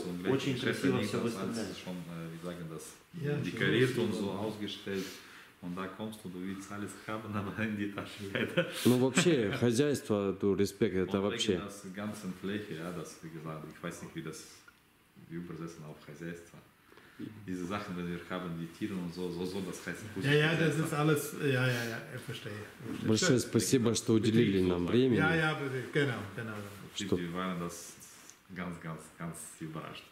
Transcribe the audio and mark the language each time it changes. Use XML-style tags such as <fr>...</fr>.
<ru>очень красиво все выставляет. Декорирует, он</ru> <de>so ausgestellt. Und da kommst du, du willst alles haben, aber in die Tasche leider.</de> <ru>Ну вообще, хозяйство,</ru> <de>du, Respekt,</de> <ru>это вообще.</ru> <de>Und wegen der ganzen Fläche, ja, das, wie gesagt, ich weiß nicht, wie das übersetzen auf хозяйство. Diese Sachen, wenn wir haben, die Tiere und so, das heißt... Ja, ja, das ist alles, ja, ich verstehe.</de> <ru>Большое спасибо, что уделили нам времени.</ru> <de>Ja, ja, genau. Wir waren das ganz, ganz, ganz überrascht.</de>